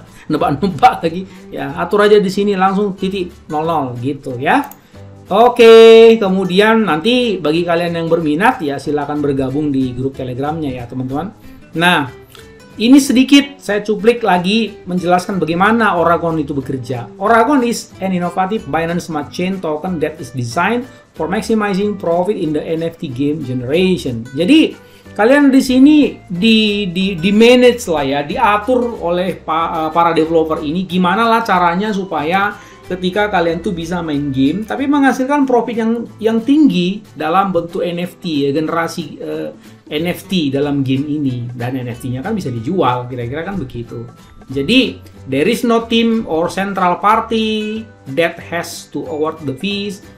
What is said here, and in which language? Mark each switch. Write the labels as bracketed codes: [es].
[id] Nebak-nebak lagi ya, atur aja di sini langsung titik 00 gitu ya. Oke, kemudian nanti bagi kalian yang berminat ya silakan bergabung di grup Telegramnya ya teman-teman. Nah, ini sedikit saya cuplik lagi menjelaskan bagaimana Oragon itu bekerja. [en] Oragon is an innovative Binance Smart Chain token that is designed for maximizing profit in the NFT game generation. [id] Jadi, kalian di sini di manage lah ya, diatur oleh para developer ini gimana lah caranya supaya ketika kalian tuh bisa main game tapi menghasilkan profit yang tinggi dalam bentuk NFT ya, generasi NFT dalam game ini, dan NFT-nya kan bisa dijual, kira-kira kan begitu. Jadi [en] there is no team or central party that has to award the fees.